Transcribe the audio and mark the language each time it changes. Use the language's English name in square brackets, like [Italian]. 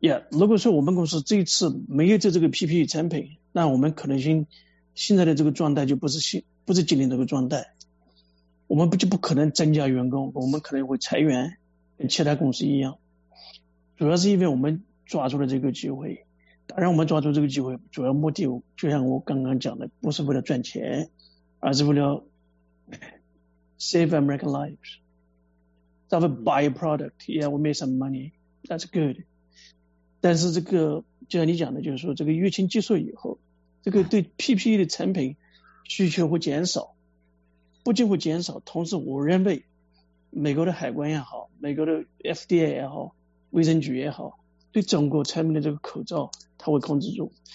[Chinese] 如果说我们公司这一次没有这个 PPE 产品，那我们可能性现在的这个状态就不是今年这个状态，我们就不可能增加员工，我们可能会裁员，跟其他公司一样。主要是因为我们抓住了这个机会，当然我们抓住这个机会主要目的就像我刚刚讲的，不是为了赚钱，而是为了 [English] save American lives。 So we buy a product, yeah, we made some money, that's good。 [Chinese] 但是这个就像你讲的，就是说这个疫情结束以后，这个对 PPE 的产品需求会减少，不仅会减少，同时我认为美国的海关也好，美国的 FDA 也好，卫生局也好，对中国产品的这个口罩它会控制住。